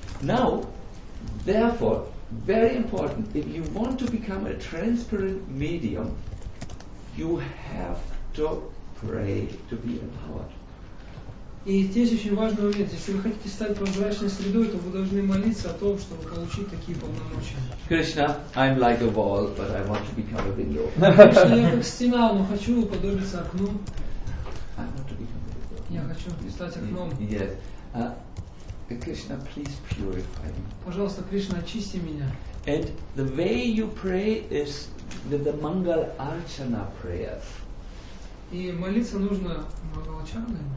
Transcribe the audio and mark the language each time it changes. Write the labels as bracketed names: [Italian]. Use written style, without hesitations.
[English] Now, therefore, very important, if you want to become a transparent medium, you have to pray to be empowered. [Russian] И здесь очень важный момент. Если вы хотите стать прозрачной средой, то вы должны молиться о том, чтобы получить такие полномочия. [English] Krishna, I'm like a wall, but I want to become a window. [Russian] Krishna, я как стена, но хочу уподобиться окну. [English] I want to become a window. [Russian] Я хочу стать окном. [English] Yes. Krishna, please purify me. [Russian] Пожалуйста, Кришна, очисти меня. [English] And the way you pray is with the Mangal Archana prayer. [Russian] И молиться нужно Мангалачарной.